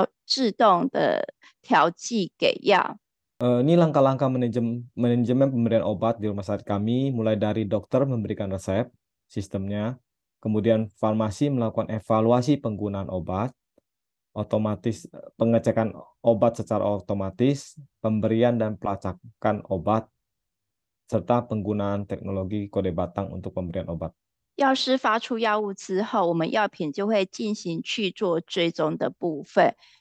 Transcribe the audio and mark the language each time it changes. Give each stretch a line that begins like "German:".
Chinese: 那这个闭环给药系统的部分，是从医师开立医嘱开始，那再就是由药师进行给药评估，然后到药自动的调剂给药。
Indonesian: Ini langkah-langkah manajemen pemberian obat di rumah sakit kami, mulai dari dokter memberikan resep sistemnya, kemudian farmasi melakukan evaluasi penggunaan obat, otomatis pengecekan obat secara otomatis, pemberian dan pelacakan obat, serta penggunaan teknologi kode batang untuk pemberian obat.
Chinese: 药师发出药物之后，我们药品就会进行去做追踪的部分。